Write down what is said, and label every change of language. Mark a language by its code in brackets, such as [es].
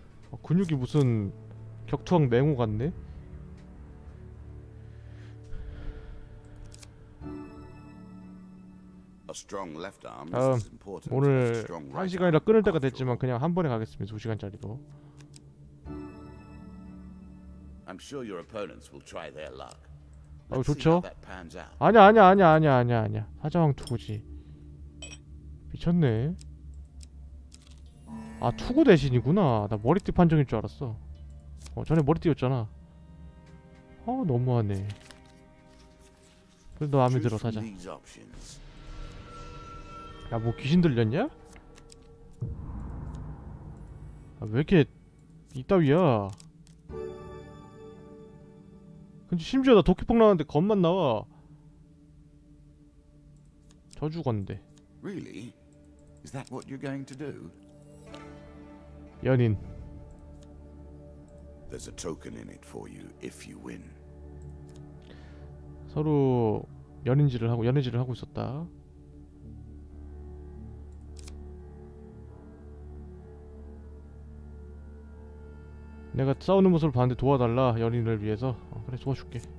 [ko] 어, 근육이 무슨 격투왕 맹호 같네. 다음. 오늘 한 시간이라 끊을 때가 됐지만 그냥 한 번에 가겠습니다. 두 시간짜리로. [en] I'm sure your opponents will try their luck. [ko] 아, 좋죠. 아니야. 사자왕 투구지. 미쳤네. 아, 투구 대신이구나. 나 머리띠 판정일 줄 알았어. 어, 전에 머리띠였잖아. 어, 너무하네. 그래도 마음에 들어, 사자. 야, 뭐 귀신 들렸냐? 아, 왜 이렇게 이따위야? 근데 심지어 나 도끼폭 나왔는데 겁만 나와. 저 죽었는데. [en] Really? Is that what you're going to do? 연인. There's a token in it for you if you win. [ko] 서로 연인질을 하고 연애질을 하고 있었다. 내가 싸우는 모습을 봤는데 도와달라, 연인을 위해서. 어, 그래, 도와줄게.